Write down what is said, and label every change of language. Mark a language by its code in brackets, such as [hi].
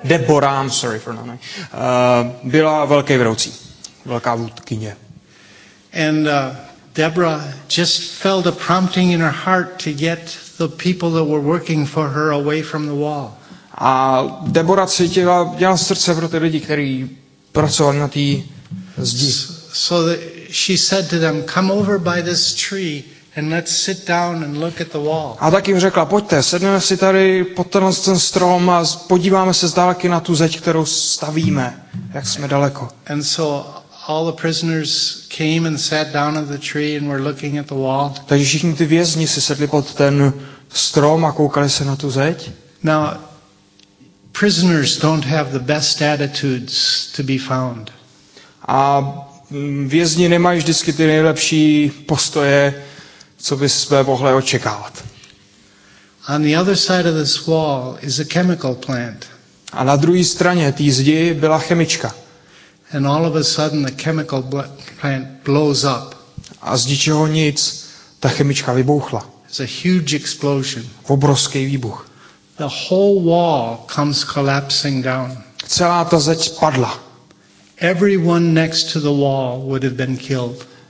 [cs] Deborah, byla velký vedoucí. Velká vůdkyně. [en] And Deborah just felt a prompting in her heart to get the people that were working for her away from the wall. [cs] A Debora cítila, měla srdce pro ty lidi, kteří pracovali na té zdi. [en] So she said to them, come over by this tree and let's sit down and look at the wall. [cs] A tak jim řekla, pojďte, sedneme si tady pod ten strom a podíváme se z dálky na tu zeď, kterou stavíme, jak jsme daleko. [en] And so all the prisoners came and sat down at the tree and were looking at the wall. [cs] Takže všichni ty vězni si sedli pod ten strom a koukali se na tu zeď. [en] Now, prisoners don't have the best attitudes to be found. [cs] A vězni nemají vždycky ty nejlepší postoje, co by jsme mohli očekávat. [en] On the other side of this wall is a chemical plant. [cs] A na druhé straně té zdi byla chemička. [en] And all of a sudden the chemical plant blows up. [cs] A z ničeho nic ta chemička vybouchla. [en] It's a huge explosion. [cs] Obrovský výbuch. [en] The whole wall comes collapsing down. [cs] Celá ta zeď padla. [en] Everyone next to the wall would have been killed.